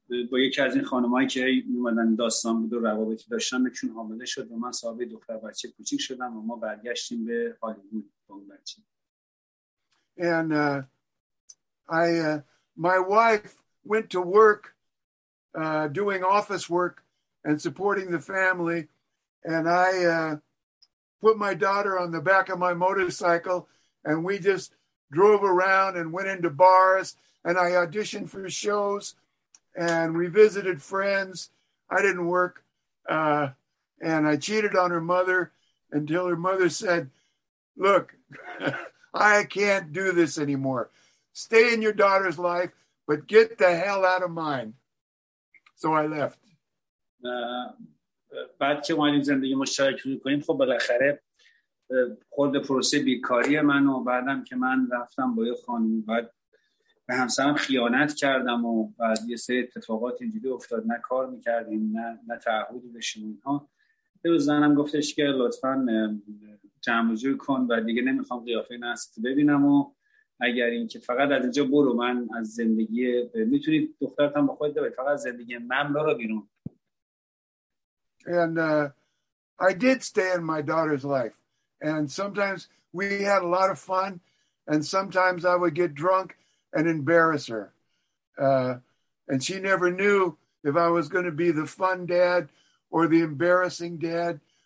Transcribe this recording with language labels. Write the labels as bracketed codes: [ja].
[fa] با یکی از این خانمایی که اومدن داستان بود و روابطی داشتن، چون حامله شد و من صاحب دختر بچه کوچیک شدم و ما برگشتیم به هالیوود با اون بچه. [en] And my wife went to work doing office work and supporting the family, and I put my daughter on the back of my motorcycle and we just drove around and went into bars and I auditioned for shows and we visited friends. I didn't work and I cheated on her mother until her mother said, "Look, I can't do this anymore. Stay in your daughter's life, but get the hell out of mine." So I left. [fa] بعد که ما این زندگی مشترک رو کنیم، خب بالاخره خود پروسه بیکاری من و بعدم که من رفتم با یه خانم، بعد به همسرم خیانت کردم و بعد یه سری اتفاقات اینجوری افتاد، نه کار میکردیم نه تعهدی داشتیم اینها، به زنم گفتش که لطفاً جمع و جور کن و دیگه نمیخوام قیافه نصف ببینم و اگر این که فقط از اینجا برو، من از زندگی میتونید دخترت هم با خود دارید، فقط از زندگی من برو بیرون. [en] And I did stay in my daughter's life. And sometimes we had a lot of fun. And sometimes I would get drunk and embarrass her. And she never knew if I was going to be the fun dad or the embarrassing dad.